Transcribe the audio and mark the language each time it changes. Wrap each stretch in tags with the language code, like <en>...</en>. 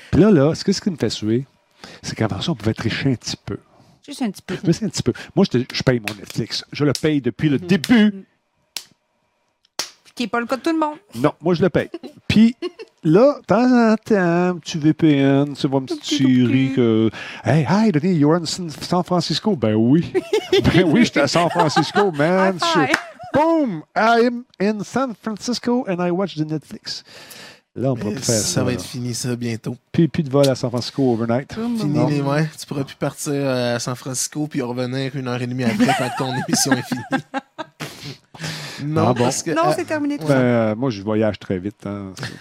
<fr>Puis là, ce qui me fait suer, c'est qu'avant ça, on pouvait tricher un petit peu. Juste un petit peu. Mais c'est un petit peu. Moi, je paye mon Netflix. Je le paye depuis le début. Ce qui n'est pas le cas de tout le monde. Non, moi, je le paye. Puis là, de temps en temps, petit VPN, tu vois une petite tuerie que...</fr> <en>Hey, Denis, you're in San Francisco?</en> <fr>Ben oui. Ben oui, j'étais à San Francisco, man. Boom!</fr> <en>I'm in San Francisco and I watch the Netflix.</en> <fr>Là, on pourra plus faire ça. Ça va être fini, ça, bientôt. Puis plus de vol à San Francisco overnight. Fini, tu pourras plus partir à San Francisco puis revenir 1h30 après quand ton émission est finie. C'est terminé. Ben, moi, je voyage très vite. Hein.</fr>